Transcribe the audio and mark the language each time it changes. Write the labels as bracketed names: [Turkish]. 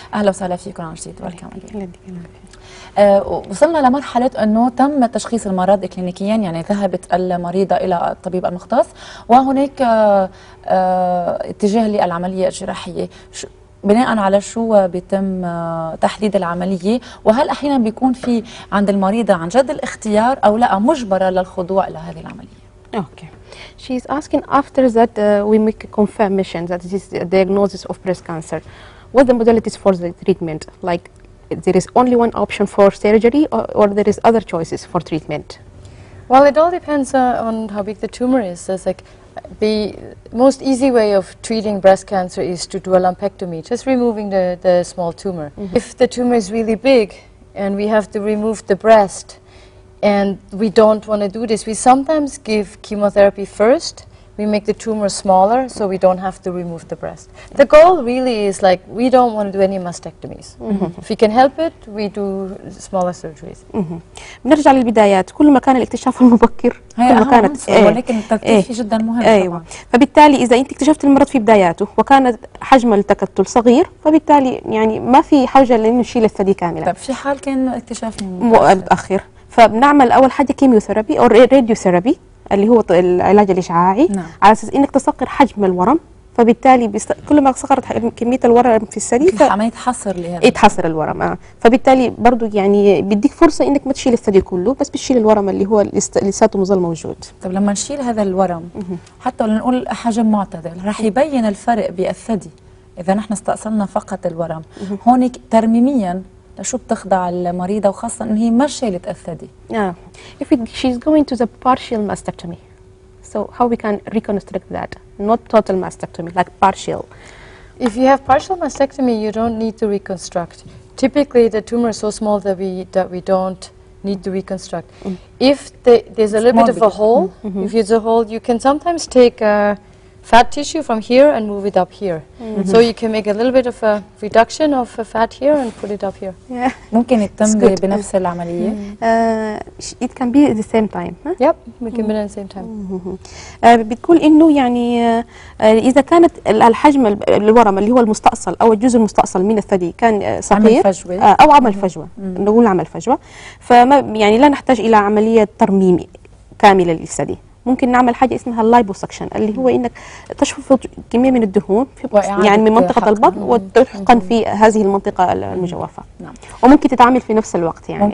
[Arabic] أهلا وسهلا فيكم عن جديد. وصلنا لمرحلة أنه تم تشخيص المرض إكلينيكيا يعني ذهبت المريضة إلى الطبيب المختص وهناك اتجاه للعملية الجراحية. بناء على شو بيتم تحديد العملية وهل أحيانا بيكون في عند المريضة عن جد الاختيار أو لا مجبرة للخضوع لهذه العملية؟ [English] Okay. She is asking after that we make a confirmation that this is a diagnosis of breast cancer. What the modalities for the treatment? Like there is only one option for surgery or there is other choices for treatment? Well, it all depends on how big the tumor is. It's like the most easy way of treating breast cancer is to do a lumpectomy, just removing the small tumor. Mm-hmm. If the tumor is really big and we have to remove the breast and we don't want to do this, we sometimes give chemotherapy first. We make the tumor smaller so we don't have to remove the breast. Mm-hmm. The goal really is like we don't want to do any mastectomies. Mm-hmm. If we can help it, we do smaller surgeries. [Arabic] بنرجع للبدايات. كل ما كان الاكتشاف المبكر هي أهم كانت ولكن التكتيف جدا مهم. أيوه. طبعا. فبالتالي إذا أنت اكتشفت المرض في بداياته وكان حجم التكتل صغير فبالتالي يعني ما في حاجة لأنه نشيل الثدي كاملة. طب في حال كان اكتشاف متأخر فبنعمل أول حاجة كيميوثيرابي أو راديوثيرابي اللي هو العلاج الإشعاعي. نعم. على أساس إنك تصغر حجم الورم فبالتالي كل ما صغرت كمية الورم في الثدي عملية حصر لهذا يتحصر الورم فبالتالي برضو يعني بيديك فرصة إنك ما تشيل الثدي كله بس بتشيل الورم اللي هو لساته مظل موجود. طب لما نشيل هذا الورم حتى لنقول حجم معتدل رح يبين الفرق بالثدي إذا نحن استأصلنا فقط الورم. هونك ترميمياً شو بتخضع المريضة وخاصة إن هي ما شالت الثدي. [English] If she's going to the partial mastectomy, so how we can reconstruct that? Not total mastectomy, like partial. If you have partial mastectomy, you don't need to reconstruct. Typically, the tumor is so small that we don't need to reconstruct. Mm. If there's a little bit of a hole, mm-hmm. if it's a hole, you can sometimes take fat tissue from here and move it up here. Mm-hmm. So you can make a little bit of a reduction of a fat here and put it up here. Yeah. [Arabic] ممكن يتم بنفس العملية. [English] It can be at the same time. Huh? Yep, we can be at the same time. [Arabic] بتقول إنه يعني إذا كانت الحجم الورم اللي هو المستأصل أو الجزء المستأصل من الثدي كان صغير أو عمل فجوة نقول عمل فجوة فما يعني لا نحتاج إلى عملية ترميم كاملة للثدي. ممكن نعمل حاجة اسمها الليبوسكشن اللي هو إنك تشفط كمية من الدهون في يعني من منطقة البطن وتحقن في هذه المنطقة المجوفة وممكن تتعامل في نفس الوقت يعني ممكن.